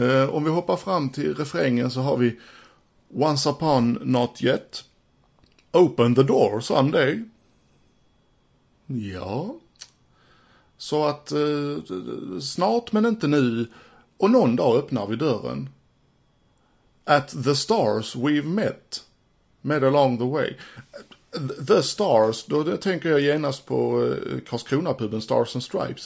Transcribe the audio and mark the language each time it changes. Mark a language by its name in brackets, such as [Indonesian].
[Swedish] Om vi hoppar fram till refrängen så har vi [English] Once upon, not yet. Open the door someday. [Swedish] Ja. Så att snart men inte nu, och någon dag öppnar vi dörren. [English] At the stars we've met along the way. The stars, [Swedish] då tänker jag genast på Karlskrona-puben Stars and Stripes.